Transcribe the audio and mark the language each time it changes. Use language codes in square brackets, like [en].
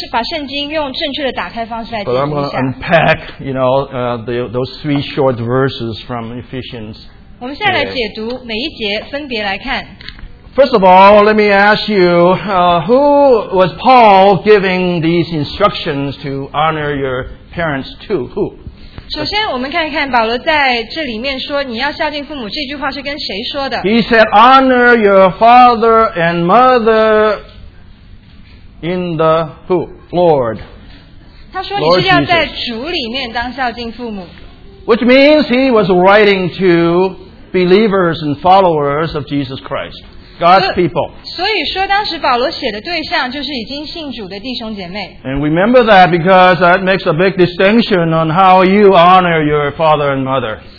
[zh] 好,我们现在把圣经用正确的打开方式来解释一下。 [en] But I'm going to unpack, you know, those three short verses from Ephesians. [zh] 我们现在来解读每一节分别来看。 [en] First of all, let me ask you, who was Paul giving these instructions to honor your parents to? Who? [zh] 首先我们看一看保罗在这里面说你要孝敬父母这句话是跟谁说的? [en] He said, honor your father and mother in the who? Lord. [zh] 他说你是要在主里面当孝敬父母。 [en] Which means he was writing to believers and followers of Jesus Christ, God's people. [zh] 所以说当时保罗写的对象就是已经信主的弟兄姐妹。 [en] And remember that because that makes a big distinction on how you honor your father and mother.